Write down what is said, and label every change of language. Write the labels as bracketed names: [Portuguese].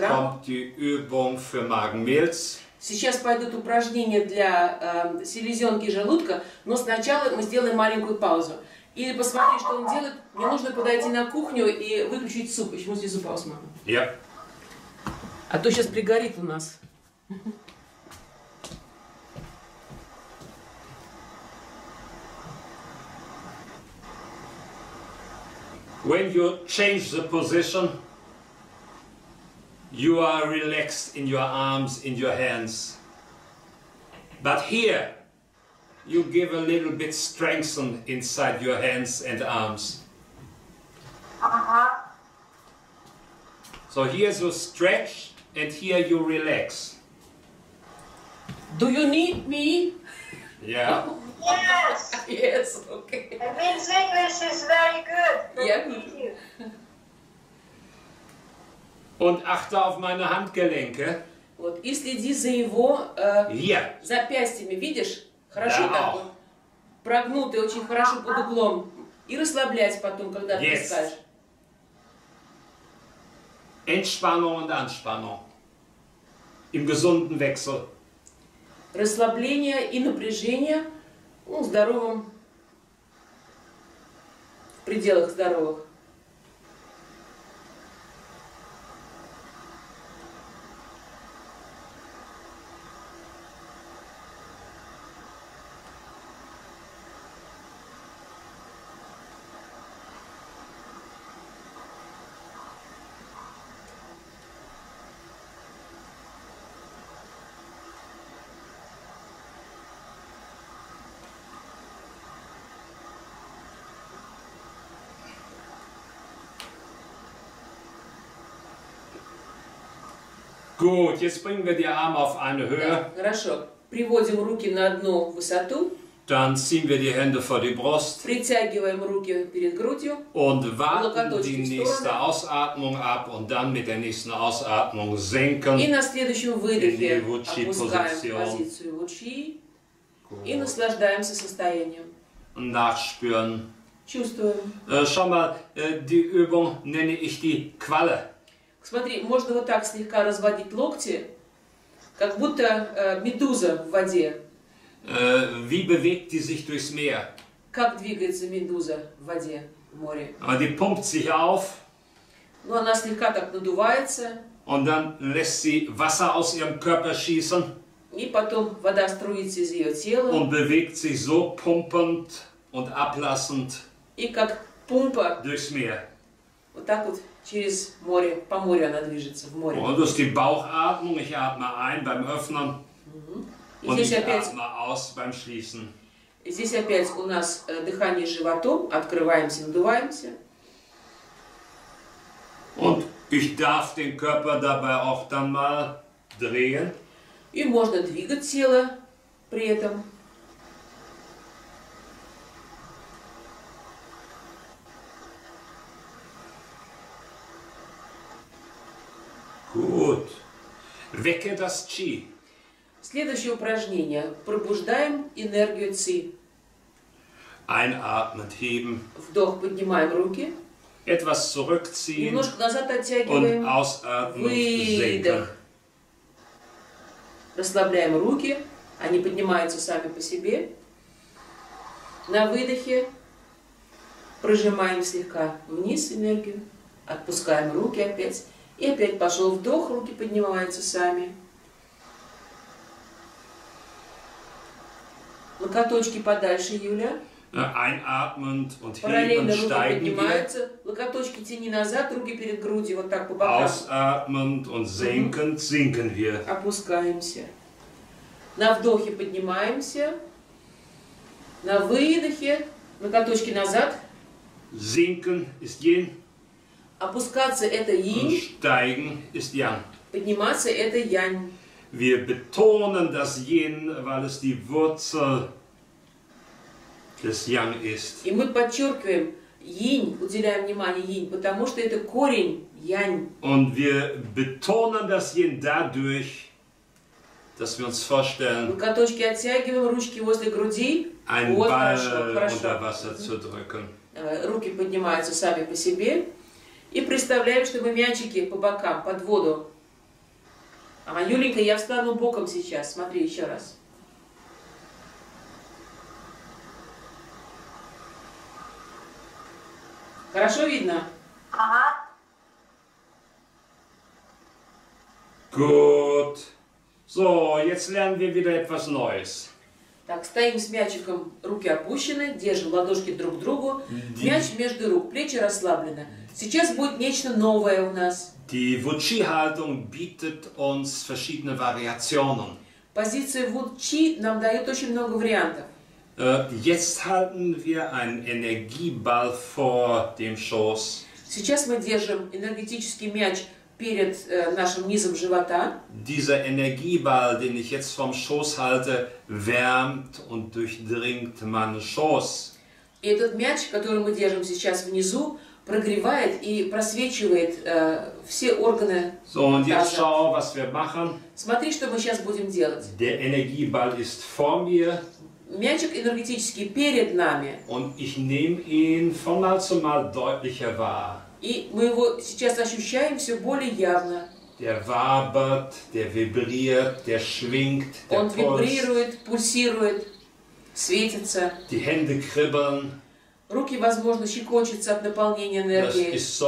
[German] Jetzt kommt die Übung für Magen-Milz. [Russian] Сейчас пойдут упражнения для селезенки желудка, но сначала мы сделаем маленькую паузу. И посмотри, что он делает. Мне нужно подойти на кухню и выключить суп. Почему здесь суп, мама? Yeah. А то сейчас пригорит у нас. [English] When you change the position, you are relaxed in your arms, in your hands. But here, you give a little bit strength inside your hands and arms. So here you stretch, and here you relax. Do you need me? Yeah. Yes. Yes. Okay. It means English is very good. Yeah. [German] Und achte auf meine Handgelenke. [Russian] Вот и следи за его запястьями, видишь? Хорошо да. Так. Прогнутый очень хорошо под углом и расслабляйся потом, когда ты скажешь. [German] Entspannung und Anspannung im gesunden Wechsel. [Russian] Расслабление и напряжение. Ну, здоровым, в пределах здоровых. [German] Gut, jetzt bringen wir die Arme auf eine Höhe. [Russian] Да, хорошо. Приводим руки на одну высоту. [German] Dann ziehen wir die Hände vor die Brust. [Russian] Притягиваем руки перед грудью. [German] Und warten die nächste Ausatmung ab und dann mit der nächsten Ausatmung senken. [Russian] И на следующем выдохе опускаем позицию Вучи. И наслаждаемся состоянием. [German] Nachspüren. [Russian] Чувствуем. [German] Schau mal, die Übung nenne ich die Qualle. [Russian] Смотри, можно вот так слегка разводить локти, как будто медуза в воде. [German] Wie bewegt die sich durchs Meer? [Russian] Как двигается медуза в воде, в море? [German] Aber die pumpt sich auf. [Russian] Ну, она слегка так надувается. [German] Und dann lässt sie Wasser aus ihrem Körper schießen. [Russian] И потом вода струится из ее тела. [German] Und bewegt sich so pumpend und ablassend. [Russian] И как пумпа. [German] Durchs Meer. [Russian] Вот так вот. Через море, по морю она движется, в море. [German] Und das ist die Bauchatmung. Ich atme ein beim Öffnen. Mhm. Und ich [Russian] опять, [German] atme aus beim Schließen. [Russian] Здесь опять у нас дыхание животом. Открываемся, надуваемся. [German] Und ich darf den Körper dabei auch dann mal drehen. [Russian] И можно двигать тело при этом. [German] Gut. Wecke das Qi. [Russian] Следующее упражнение. Пробуждаем энергию Ци. [German] Einatmen, heben. [Russian] Вдох, поднимаем руки. [German] Etwas zurückziehen. [Russian] Немножко назад оттягиваем. [German] Und ausatmen, [Russian] выдох. Расслабляем руки. Они поднимаются сами по себе. На выдохе прожимаем слегка вниз энергию. Отпускаем руки опять. И опять пошел вдох, руки поднимаются сами. Локоточки подальше, Юля. [German] Einatmend und heben, [Russian] параллельно руки [German] steigen [Russian] поднимаются. [German] Wieder. [Russian] Локоточки тяни назад, руки перед грудью, вот так по бокам. [German] Ausatmend und sinken, sinken wir. [Russian] Опускаемся. На вдохе поднимаемся. На выдохе локоточки назад. [German] Sinken ist gehen. [Russian] Опускаться это инь. [German] Steigen ist yang. [Russian] Подниматься это янь. [German] Wir betonen das yin, weil es die Wurzel des yang ist. [Russian] И мы подчеркиваем инь, уделяем внимание инь, потому что это корень янь. [German] Und wir betonen das yin dadurch, dass wir uns vorstellen, [Russian] локоточки оттягиваем, ручки возле груди, [German] einen Ball unter Wasser zu drücken. [Russian] Руки поднимаются сами по себе. И представляем, что мы мячики по бокам, под воду. А, Юленька, я встану боком сейчас. Смотри еще раз. Хорошо видно? Ага. [German] Gut. So, jetzt lernen wir wieder etwas Neues. [Russian] Так, стоим с мячиком, руки опущены, держим ладошки друг к другу, мяч между рук, плечи расслаблены. Сейчас будет нечто новое у нас. [German] Die Wuchi-Haltung bietet uns verschiedene Variationen. [Russian] Позиция Wuchi нам дает очень много вариантов. [German] Jetzt halten wir einen Energieball vor dem Schoß. [Russian] Сейчас мы держим энергетический мяч перед нашим низом живота. [German] Dieser Energieball, den ich jetzt vom Schoß halte, wärmt und durchdringt meinen Schoß. [Russian] И этот мяч, который мы держим сейчас внизу, прогревает и просвечивает все органы [German] so, und jetzt [Russian] таза. [German] Schau, was wir machen. [Russian] Смотри, что мы сейчас будем делать. [German] Der Energieball ist vor mir. [Russian] Мячик энергетический перед нами. [German] Und ich nehme ihn von mal zu mal deutlicher wahr. [Russian] И мы его сейчас ощущаем все более явно. [German] Der wabert, der vibriert, der schwingt, der [Russian] он вибрирует, пульсирует, светится. [German] Die Hände kribbeln. [Russian] Руки, возможно, щекочутся от наполнения энергией.